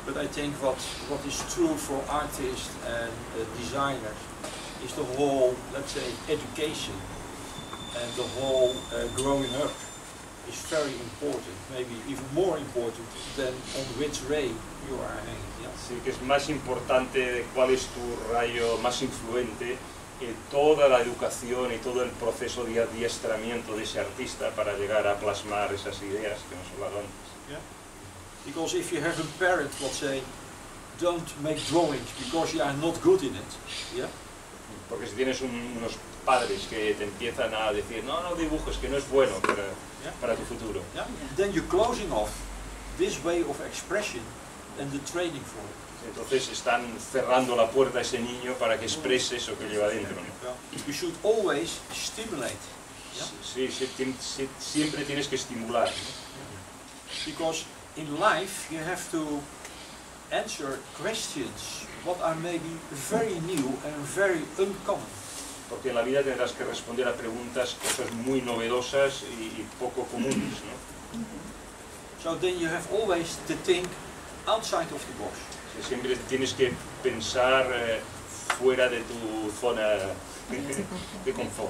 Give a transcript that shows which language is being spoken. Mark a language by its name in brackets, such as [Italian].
[English] But I think what is true for artists and designers is the whole, let's say, education and the whole growing up is very important, maybe even more important than on which ray you are hanging. Yeah? [Spanish] Sí, que es más importante de cuál es tu rayo más influente en toda la educación y todo el proceso de adiestramiento de ese artista para llegar a plasmar esas ideas que nos hablaron. [English] Yeah. Because if you have a parent who will say, don't make drawings because you are not good in it. Yeah. [Spanish] Porque si tienes unos padres que te empiezan a decir, no dibujes, que no es bueno para tu futuro. [English] Yeah. Then you're closing off this way of expression and the training for it. [Spanish] Entonces están cerrando la puerta a ese niño para que exprese eso que lleva dentro. [English] You should always stimulate. [Spanish] Siempre tienes que estimular. [English] Because in life you have to answer questions what are maybe very new and very uncommon. [Spanish] Porque en la vida tendrás que responder a preguntas que son muy novedosas y poco comunes, ¿no? [English] So then you have always to think outside of the box. [Spanish] Siempre tienes que pensar fuera de tu zona de confort.